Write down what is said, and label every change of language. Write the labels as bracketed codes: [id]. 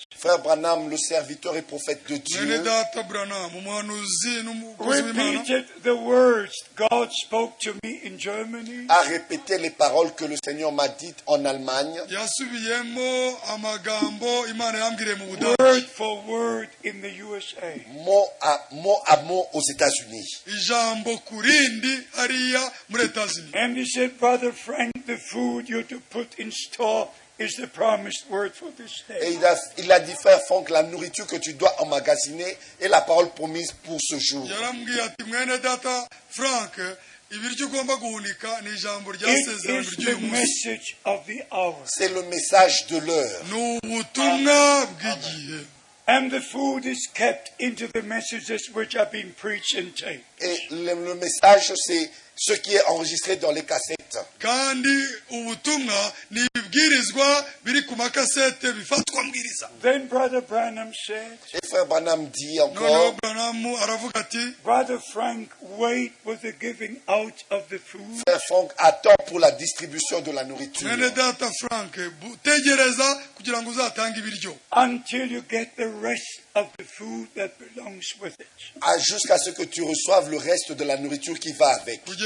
[fr] Frère Branham, le serviteur et prophète de Dieu. [en] Repeated the words God spoke to me in Germany. [fr] A répété les paroles que le Seigneur m'a dites en Allemagne. [en] Word for word in the USA. [fr] Mot à mot aux États-Unis. [en] And he said, Brother Frank, the food you to put in store is the promised word for this day. [fr] Et il a dit, Frère Frank, la nourriture que tu dois emmagasiner est la parole promise pour ce jour. C'est le message de l'heure. [en] And the food is kept into the messages which are being preached and taken. [fr] Et le message, c'est ce qui est enregistré dans les cassettes. [rw] Kandi ubutumwa nibwirizwa biri ku makasete bifatwa mbwiriza. [en] Then Brother Branham said. [fr] Et Frère Branham dit encore. [rw] No, Branham aravuga ati. [en] Brother Frank, wait with the giving out of the food. [fr] Frère Frank attend pour la distribution de la nourriture. [rw] Mene data Frank, tegereza kugira ngo uzatange ibiryo. [en] Until you get the rest of the food that belongs with it. [fr] À jusqu'à ce que tu reçoives le reste de la nourriture qui va avec.